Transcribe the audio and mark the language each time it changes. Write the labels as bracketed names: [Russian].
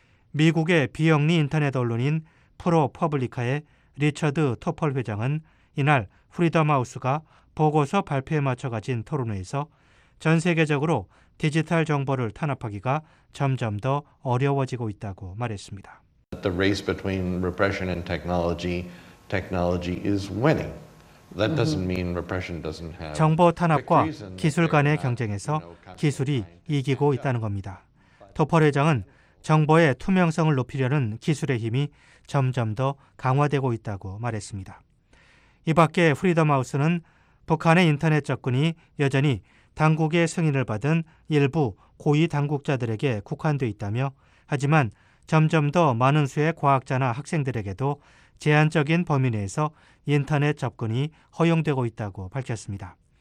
[Korean] 미국의 비영리 인터넷 언론인 프로퍼블리카의 리처드 토펄 회장은 이날 프리덤하우스가 보고서 발표에 맞춰 가진 토론회에서 전 세계적으로 디지털 정보를 탄압하기가 점점 더 어려워지고 있다고 말했습니다. [English] The race between repression and technology is winning. That doesn't mean repression doesn't have. [Korean] 정보 탄압과 기술 간의 경쟁에서 기술이 이기고 있다는 겁니다. 토펄 회장은 정보의 투명성을 높이려는 기술의 힘이 점점 더 강화되고 있다고 말했습니다. 이 밖에 프리덤하우스는 북한의 인터넷 접근이 여전히 당국의 승인을 받은 일부 고위 당국자들에게 국한되어 있다며 하지만 점점 더 많은 수의 과학자나 학생들에게도 제한적인 범위 내에서 인터넷 접근이 허용되고 있다고 밝혔습니다.